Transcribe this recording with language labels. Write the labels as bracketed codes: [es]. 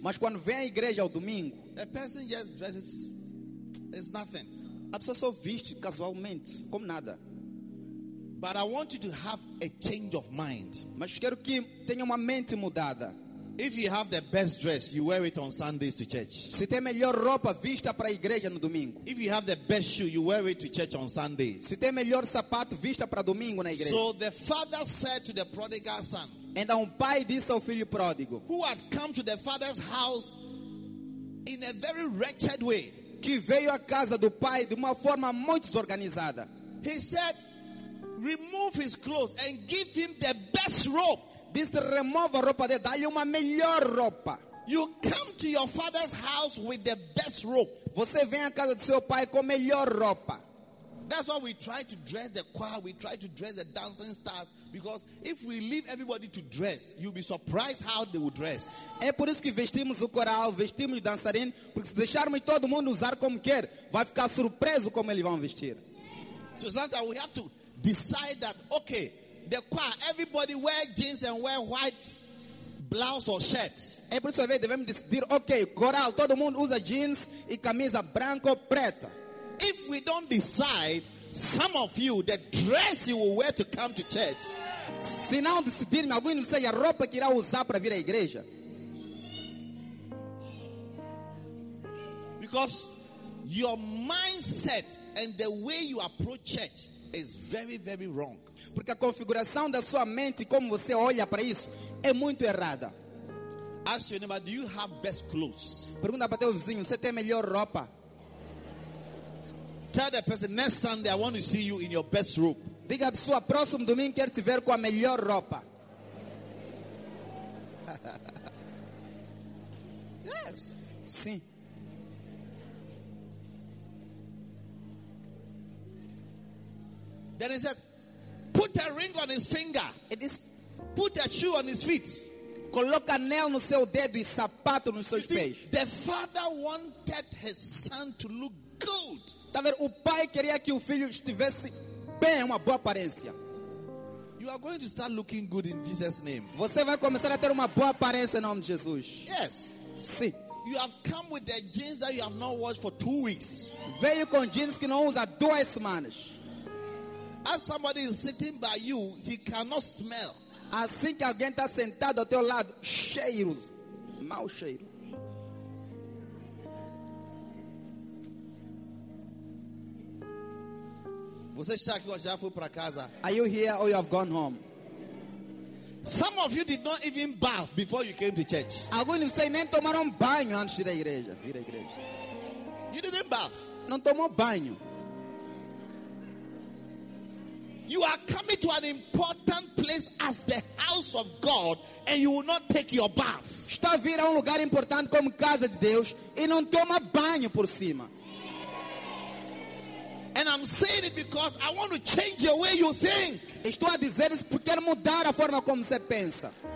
[pt] Mas quando vem à igreja ao domingo. [en] The person just dresses is nothing. [pt] A pessoa só veste casualmente, como nada. [en] But I want you to have a change of mind. [pt] Mas quero que tenha uma mente mudada. [en] If you have the best dress, you wear it on Sundays to church. [pt] Se tem melhor roupa, vista para a igreja no domingo. [en] If you have the best shoe, you wear it to church on Sunday. [pt] Se tem melhor sapato, vista para domingo na igreja. [en] So the father said to the prodigal son. [pt] Então o pai disse ao filho pródigo. [en] Who had come to the father's house in a very wretched way. [pt] Que veio à casa do pai de uma forma muito desorganizada. [en] He said, remove his clothes and give him the best robe. [pt] Diz, remove a roupa dele, dá-lhe uma melhor roupa. [en] You come to your father's house with the best robe. [pt] Você vem à casa do seu pai com a melhor roupa. [en] That's why we try to dress the choir, we try to dress the dancing stars, because if we leave everybody to dress, you'll be surprised how they will dress. [pt] É por isso que vestimos o coral, vestimos o dançarino, porque se deixarmos todo mundo usar como quer, vai ficar surpreso como eles vão vestir. [en] So sometimes we have to decide that, okay, the choir, everybody wear jeans and wear white blouse or shirt. [pt] É por isso que devemos decidir, okay, coral, todo mundo usa jeans e camisa branca ou preta. [en] If we don't decide, some of you, the dress you will wear to come to church. [pt] Se não decidir, alguém não sei a roupa que irá usar para vir à igreja. [en] Because your mindset and the way you approach church is very, very wrong. [pt] Porque a configuração da sua mente, como você olha para isso, é muito errada. [en] Ask your neighbor, do you have best clothes? [pt] Pergunta para teu vizinho, você tem melhor roupa? [en] Tell the person, next Sunday I want to see you in your best robe. [pt] Diga a pessoa, próximo domingo quero te ver com a melhor roupa. [en] Yes. [pt] Sim. [en] Then he said, put a ring on his finger. It is. Put a shoe on his feet. [pt] Coloca anel no seu dedo e sapato nos seus pés. [en] The father wanted his son to look good. [pt] Tá vendo? O pai queria que o filho estivesse bem, uma boa aparência. [en] You are going to start looking good in Jesus' name. [pt] Você vai começar a ter uma boa aparência em nome de Jesus. [en] Yes. [pt] Sim. [en] You have come with the jeans that you have not washed for 2 weeks. [pt] Veio com jeans que não usa 2 semanas. [en] As somebody is sitting by you, he cannot smell. [pt] Assim que alguém está sentado ao teu lado, cheiro, mau cheiro. Você está aqui ou já foi para casa? [en] Are you here or you have gone home? Some of you did not even bath before you came to church. [pt] Alguns de vocês nem tomaram banho antes da igreja. Vira igreja. [en] You didn't bath. [pt] Não tomou banho. [en] You are coming to an important place as the house of God and you will not take your bath. [pt] Está vir a lugar importante como casa de Deus e não toma banho por cima. [en] And I'm saying it because I want to change the way you think. [pt] Estou a dizer isso porque quero mudar a forma como você pensa.